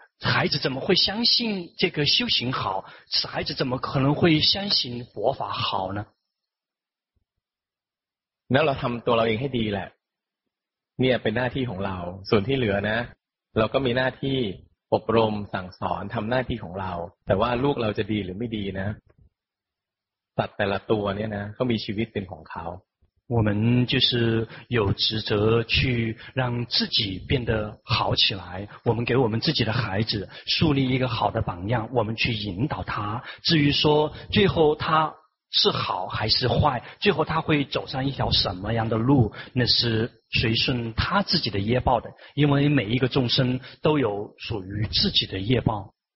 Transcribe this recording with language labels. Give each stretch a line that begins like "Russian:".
Chinese: 孩子怎么会相信这个修行好？孩子怎么可能会相信佛法好呢？那我们做我们自己好了，这是我们的任务。剩下的呢，我们也有任务，教导、引导，这是我们的任务。但是，孩子会好还是不好呢？
Thai: สัตว์แต่ละตัวเนี่ยนะเขามีชีวิตเป็นของเขา
Chinese: 我们就是有职责去让自己变得好起来我们给我们自己的孩子树立一个好的榜样我们去引导他至于说最后他是好还是坏最后他会走上一条什么样的路那是随顺他自己的业报的因为每一个众生都有属于自己的业报